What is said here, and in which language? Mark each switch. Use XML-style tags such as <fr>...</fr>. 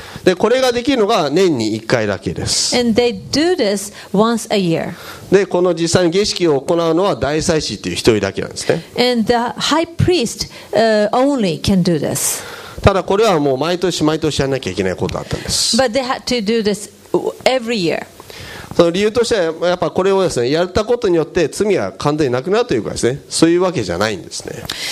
<ja>でこれができるのが年に1回だけです。</ja> <en>And they do this once a year.</en> <ja>でこの実際に儀式を行うのは大祭司という一人だけなんですね。</ja> <en>And the high priest, only can do this.</en> <ja>ただこれはもう毎年毎年やらなきゃいけないことだったんです。</ja> <en>But they had to do this every year.</en> <ja>その理由としてはやっぱこれをですね、やったことによって罪は完全になくなるというかですね、そういうわけじゃないんですね。</ja>